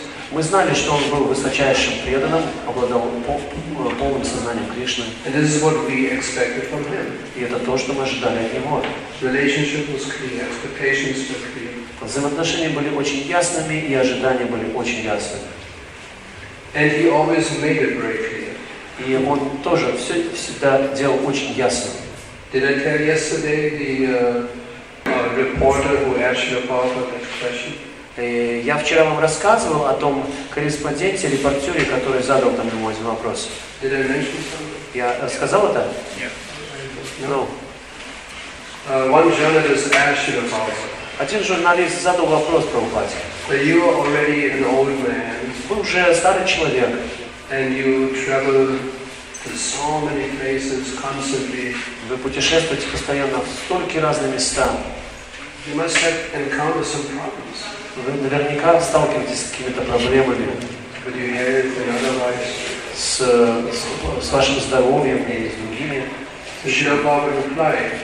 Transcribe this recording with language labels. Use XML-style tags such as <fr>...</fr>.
<ru>Мы знали, что он был высочайшим преданным, обладал полным сознанием Кришны.</ru> <en>And this is what we expected from him.</en> <ru>И это то, что мы ожидали от него.</ru> <en>Relationship was clear, expectations were clear.</en> <ru>Взаимоотношения были очень ясными, и ожидания были очень ясными.</ru> <en>And he always made it very clear.</en> <ru>И он тоже все всегда делал очень ясно.</ru> <en>Did I tell yesterday the reporter who asked Shrila Prabhupada that question?</en> <ru>Я вчера вам рассказывал о том корреспонденте, репортере, который задал там ему один вопрос.</ru> <en>Did I mention something?</en> <ru>Я сказал это? Нет.</ru> <en>No. One journalist asked Shrila Prabhupada.</en> <ru>Один журналист задал вопрос Прабхупаде.</ru> <en>But you are already an old man.</en> <ru>Вы уже старый человек.</ru> <en>And you travel to so many places constantly.</en> <ru>Вы путешествуете постоянно в столько разных местах.</ru> <en>You must have encountered some problems.</en> <ru>Вы наверняка сталкиваетесь с какими-то проблемами.</ru> <en>Could you hear it in other ways?</en> <ru>С вашим здоровьем и с другими.</ru> <en>Шрила Прабхупада replied.</en>